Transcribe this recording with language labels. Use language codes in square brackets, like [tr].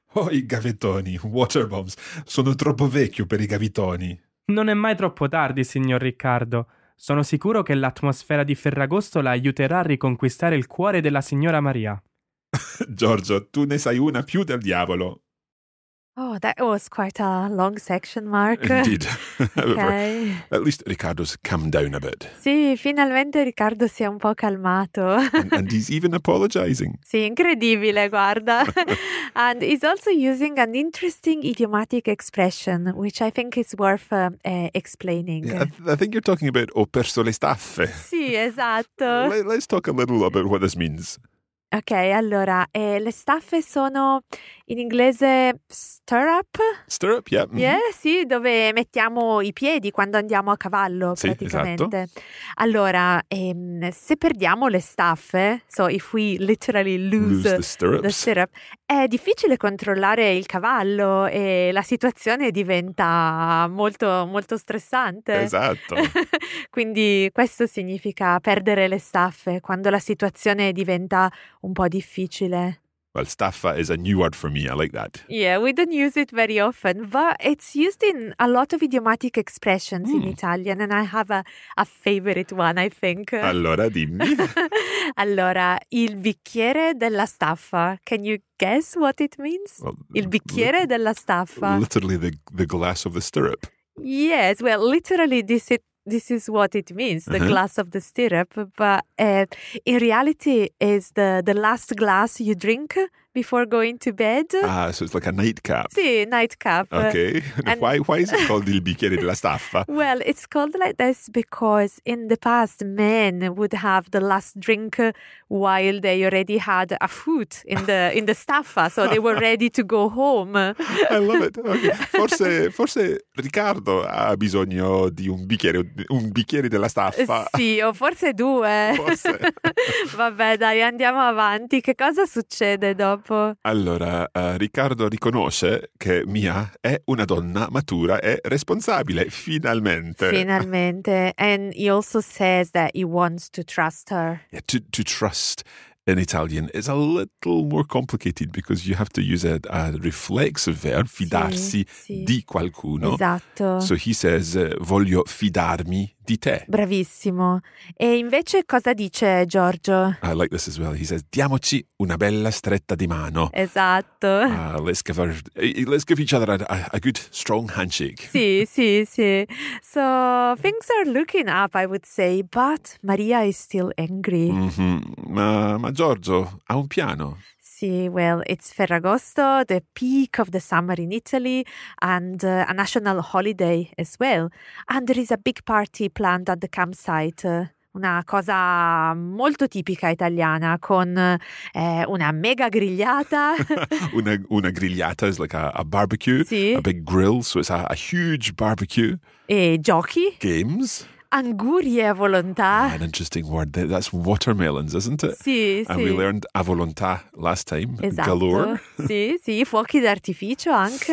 [it] Oh, i gavettoni, [en] water bombs. [it] Sono troppo vecchio per i gavettoni. Non è mai troppo tardi, signor Riccardo. Sono sicuro che l'atmosfera di Ferragosto la aiuterà a riconquistare il cuore della signora Maria. Giorgio, tu ne sai una più del diavolo. [en] Oh, that was quite a long section, Mark. Indeed. Okay. At least Riccardo's calmed down a bit. [it] Sì, finalmente Riccardo si è un po' calmato. [en] And he's even apologizing. [it] Sì, incredibile, guarda. [en] And he's also using an interesting idiomatic expression, which I think is worth explaining. Yeah, I think you're talking about [it] ho perso le staffe. Sì, esatto. [en] Let's talk a little about what this means. [it] Ok, allora, le staffe sono in inglese stirrup. [en] Stirrup, yeah. Mm-hmm. [it] Yeah, sì, dove mettiamo i piedi quando andiamo a cavallo, sì, praticamente. Esatto. Allora, se perdiamo le staffe, [en] so if we literally lose the stirrup, [it] è difficile controllare il cavallo e la situazione diventa molto, molto stressante. Esatto. Quindi questo significa perdere le staffe quando la situazione diventa un po' difficile. [en] Well, staffa is a new word for me. I like that. Yeah, we don't use it very often, but it's used in a lot of idiomatic expressions in Italian, and I have a favorite one, I think. [it] Allora, dimmi. Allora, il bicchiere della staffa. [en] Can you guess what it means? [it] Well, il bicchiere della staffa. [en] Literally, the glass of the stirrup. Yes, well, literally, this is what it means, the glass of the stirrup. But in reality, is the last glass you drink before going to bed. Ah, so it's like a nightcap. [it] Sì, nightcap. [en] Okay. And why is it called [it] il bicchiere della staffa? [en] Well, it's called like this because in the past, men would have the last drink while they already had a foot in the staffa, so they were ready to go home. I love it. Okay. [it] Forse Riccardo ha bisogno di un bicchiere della staffa. Sì, o forse due. Forse. Vabbè, dai, andiamo avanti. Che cosa succede dopo? Allora, Riccardo riconosce che Mia è una donna matura e responsabile, finalmente. Finalmente. [en] And he also says that he wants to trust her. Yeah, to trust in Italian is a little more complicated because you have to use a reflexive verb, fidarsi, [it] sì, sì, di qualcuno. Esatto. [en] So he says, [it] voglio fidarmi di te. Bravissimo. E invece cosa dice Giorgio? [en] I like this as well. He says, [it] diamoci una bella stretta di mano. Esatto. [en] Let's give each other a good strong handshake. [it] Sì, sì, sì. [en] So things are looking up, I would say, but Maria is still angry. [it] Mm-hmm. Ma Giorgio ha un piano. [en] Sì, well, it's Ferragosto, the peak of the summer in Italy, and a national holiday as well. And there is a big party planned at the campsite. [it] Una cosa molto tipica italiana, con una mega grigliata. [en] una grigliata is like a barbecue, [it] sì, [en] a big grill, so it's a huge barbecue. [it] E giochi. [en] Games. [it] Angurie a volontà. [en] Ah, an interesting word. That's watermelons, isn't it? [it] Sì, [en] and [it] sì. [en] And we learned a volontà last time. [it] Esatto. [en] Galore. [it] Sì, sì. Fuochi d'artificio anche.